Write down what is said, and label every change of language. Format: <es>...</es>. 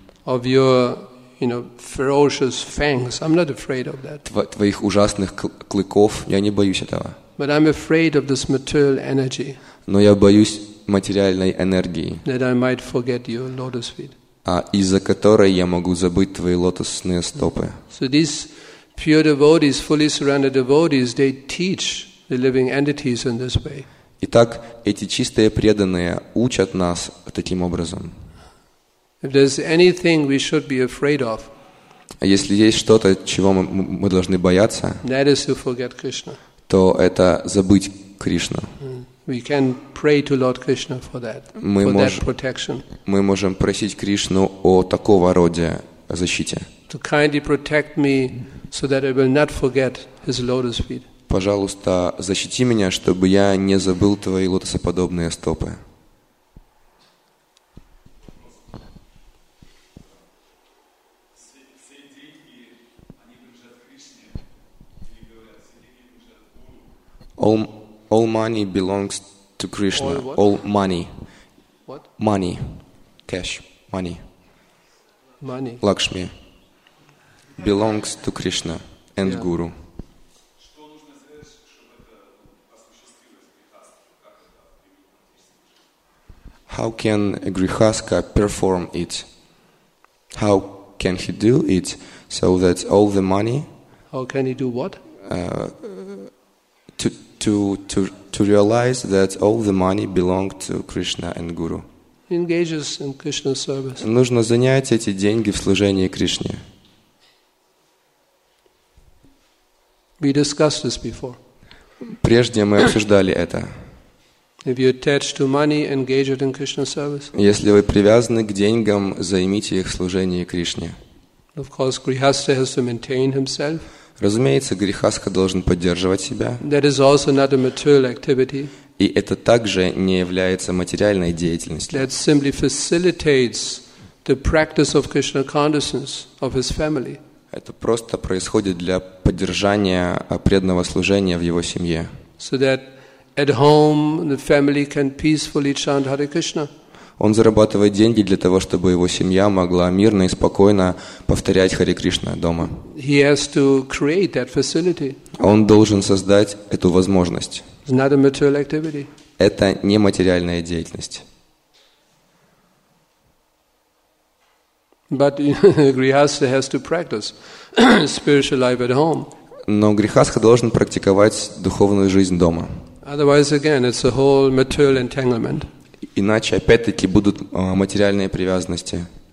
<en>Of your, you know, ferocious fangs. I'm not afraid of that.</en> <ru>Твоих ужасных клыков. Я не боюсь этого.</ru> <en>But I'm afraid of this material energy.</en> <ru>Но я боюсь материальной энергии.</ru> <en>That I might forget your lotus feet.</en> <ru>А из-за которой я могу забыть твои лотосные стопы.</ru> <en>So these pure devotees, fully surrendered devotees, they teach the living entities in this way.</en> <ru>Итак, эти чистые преданные учат нас таким образом.</ru> <en>If there's anything we should be afraid of,</en> <ru>если есть что-то, чего мы должны бояться,</ru> <en>that is to forget Krishna.</en> <ru>То это забыть Кришну.</ru> <en>We can pray to Lord Krishna for that, that protection.</en> <ru>Мы можем просить Кришну о такого рода защите.</ru> <en>To kindly protect me so that I will not forget his lotus feet.</en> <ru>Пожалуйста, защити меня, чтобы я не забыл твои лотосоподобные стопы.</ru> <en>All money belongs to Krishna. All money. What? Money. Cash. Money. Money. Lakshmi. Belongs to Krishna and yeah. Guru. How can a Grihastha perform it? How can he do it so that all the money... How can he do what? To realize that all the money belong to Krishna and Guru. Engages in Krishna's service.</en> <ru>Нужно занять эти деньги в служении Кришне.</ru> <en>We discussed this before.</en> <ru>Прежде мы обсуждали это.</ru> <en>If you attach to money, engage it in Krishna's service.</en> <ru>Если вы привязаны к деньгам, займите их в служении Кришне.</ru> <en>Of course, Grihastha has to maintain himself.</en> <ru>Разумеется, грихастха должен поддерживать себя.</ru> <en>That is also not a material activity.</en> <ru>И это также не является материальной деятельностью.</ru> <en>That simply facilitates the practice of Krishna consciousness of his family.</en> <ru>Это просто происходит для поддержания преданного служения в его семье.</ru> <en>So that at home the family can peacefully chant Hare Krishna.</en> <ru>Он зарабатывает деньги для того, чтобы его семья могла мирно и спокойно повторять Харе Кришна дома.</ru> <en>He has to create that facility.</en> <ru>Он должен создать эту возможность.</ru> <en>It's not a material activity.</en> <ru>Это не материальная деятельность.</ru> <en>But Grihastha has to practice spiritual life at home.</en> <ru>Но Грихастха должен практиковать духовную жизнь дома.</ru> <en>Otherwise, again, it's a whole material entanglement.</en> <ru>иначе опять-таки будут материальные привязанности.</ru>